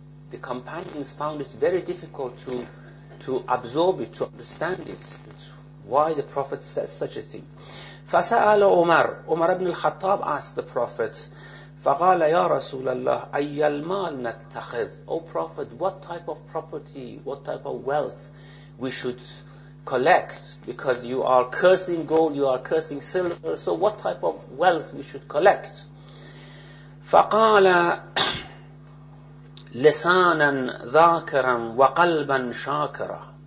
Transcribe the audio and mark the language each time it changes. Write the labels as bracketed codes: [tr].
[en] The companions found it very difficult to absorb it, to understand it. It's why the Prophet says such a thing. [ar] فَسَأَلَ [en] Umar ibn al-Khattab asked the Prophet, [ar] فَقَالَ يَا رَسُولَ اللَّهِ أَيَّ الْمَالِ نَتَّخِذْ. [en] O Prophet, what type of property, what type of wealth we should collect? Because you are cursing gold, you are cursing silver, so what type of wealth we should collect? [ar] فَقَالَ لِسَانًا ذَاكَرًا وَقَلْبًا شَاكَرًا.